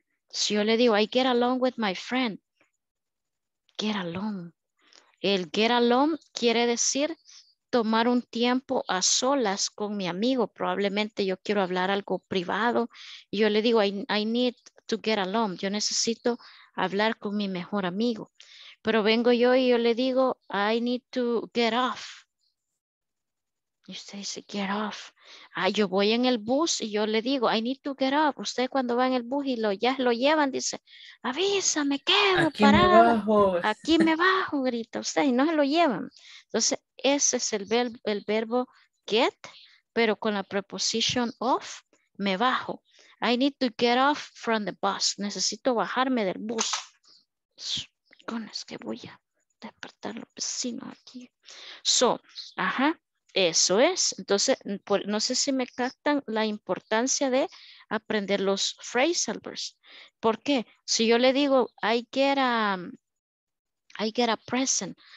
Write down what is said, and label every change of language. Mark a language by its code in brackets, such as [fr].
[es] Si yo le digo, [en] I get along with my friend. Get along. [es] El get along quiere decir tomar un tiempo a solas con mi amigo. Probablemente yo quiero hablar algo privado. Y yo le digo, [en] I need to get along. [es] Yo necesito hablar con mi mejor amigo. Pero vengo yo y yo le digo, [en] I need to get off. [es] Y usted dice, get off. Ah, yo voy en el bus y yo le digo, [en] I need to get off. [es] Usted cuando va en el bus y ya lo llevan, dice, avísame, quedo parado. Aquí me bajo. Aquí me bajo, grita usted, y no se lo llevan. Entonces, ese es el verbo get, pero con la preposición of, me bajo. [en] I need to get off from the bus. [es] Necesito bajarme del bus. Es que voy a despertar los vecinos aquí. So, ajá. Eso es. Entonces, no sé si me captan la importancia de aprender los phrasal verbs. ¿Por qué? Si yo le digo, [en] I get a present.